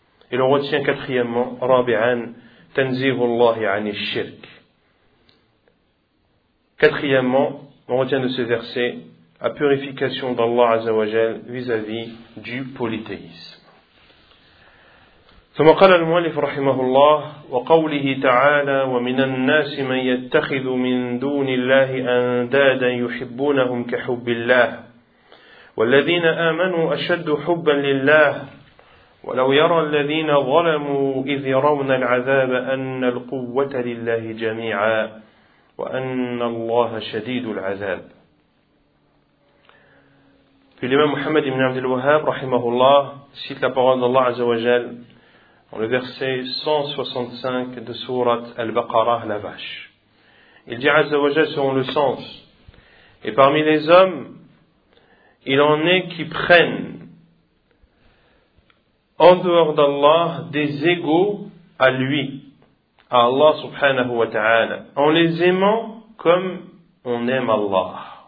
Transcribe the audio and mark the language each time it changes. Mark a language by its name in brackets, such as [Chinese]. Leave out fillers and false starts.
[French] Et l'on retient quatrièmement, rabi'an, tanzihullahi ani shirk. Quatrièmement, on retient de ce verset la purification d'Allah azza wa jal vis-à-vis du polythéisme. [Arabic] ثم قال المؤلف رحمه الله وقوله تعالى ومن الناس من يتخذ من دون الله أندادا يحبونهم كحب الله والذين آمنوا أشد حبا لله ولو يرى الذين ظلموا إذ يرون العذاب أن القوة لله جميعا وأن الله شديد العذاب. [French] في الإمام محمد بن عبد الوهاب رحمه الله cite la parole d'Allah عز وجل dans le verset 165 de Sourate Al-Baqarah, la vache. Il dit Azza wa Jal selon le sens. Et parmi les hommes, il en est qui prennent, en dehors d'Allah, des égaux à lui, à Allah subhanahu wa ta'ala, en les aimant comme on aime Allah.